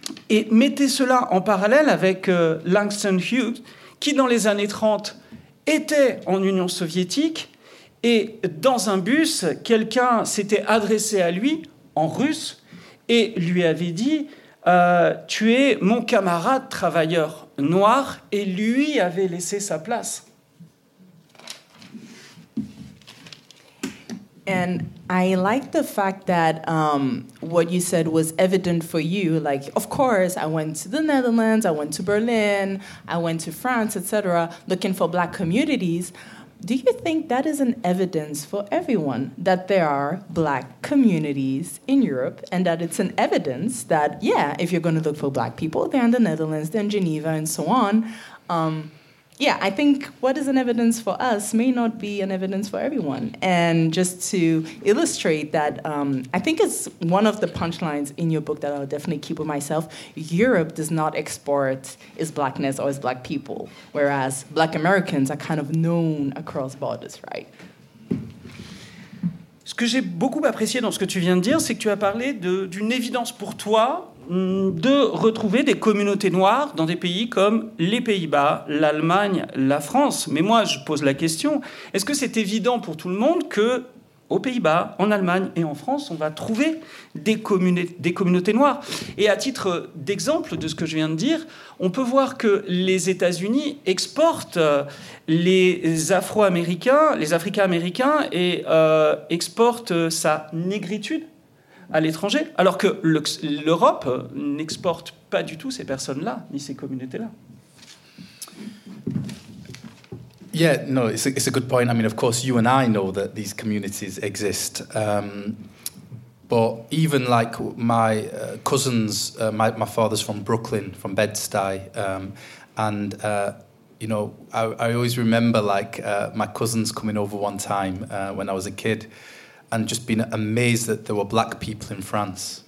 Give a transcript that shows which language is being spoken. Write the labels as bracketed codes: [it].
[fr] Et mettez cela en parallèle avec Langston Hughes, qui, dans les années 30, était en Union soviétique, et dans un bus, quelqu'un s'était adressé à lui en russe et lui avait dit « Tu es mon camarade travailleur noir » et lui avait laissé sa place. [en] And I like the fact that what you said was evident for you. Like, of course, I went to the Netherlands, I went to Berlin, I went to France, etc., looking for black communities. Do you think that is an evidence for everyone that there are black communities in Europe and that it's an evidence that, yeah, if you're going to look for black people, they're in the Netherlands, they're in Geneva, and so on. Yeah, I think what is an evidence for us may not be an evidence for everyone. And just to illustrate that, I think it's one of the punchlines in your book that I'll definitely keep with myself. Europe does not export its blackness or its black people, whereas black Americans are kind of known across borders, right? [fr] Ce que j'ai beaucoup apprécié dans ce que tu viens de dire, c'est que tu as parlé d'une évidence pour toi de retrouver des communautés noires dans des pays comme les Pays-Bas, l'Allemagne, la France. Mais moi, je pose la question, est-ce que c'est évident pour tout le monde qu'aux Pays-Bas, en Allemagne et en France, on va trouver des communautés noires ? Et à titre d'exemple de ce que je viens de dire, on peut voir que les États-Unis exportent les Afro-Américains, les Africains-Américains, et exportent sa négritude à l'étranger, alors que l'Europe n'exporte pas du tout ces personnes-là, ni ces communautés-là. [en] Yeah, no, it's a good point. I mean, of course, you and I know that these communities exist. But even like my cousins, my father's from Brooklyn, from Bed-Stuy, and you know, I always remember like my cousins coming over one time when I was a kid, and just being amazed that there were black people in France.